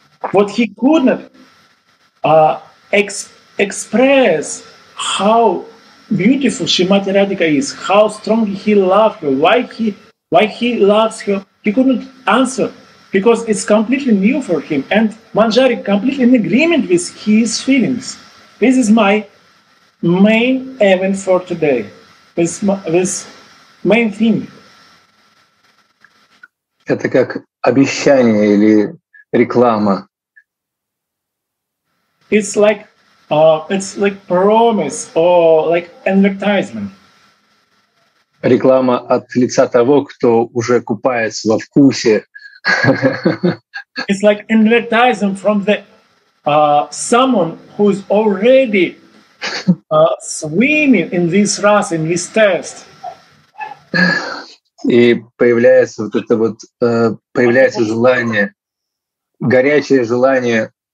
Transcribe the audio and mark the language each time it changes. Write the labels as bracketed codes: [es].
[en] What he could not express how beautiful Srimati Radhika is, how strong he loves her, why he loves her, he couldn't answer because it's completely new for him. And Manjari completely in agreement with his feelings. This is my main event for today, this main thing. [ru] Это как обещание или реклама. [en] It's like promise or like advertisement. [ru] Реклама от лица того, кто уже купается во вкусе. [en] It's like advertisement from the someone who's already swimming in this rasa, in this taste. [ru] И появляется вот это вот появляется желание, горячее желание.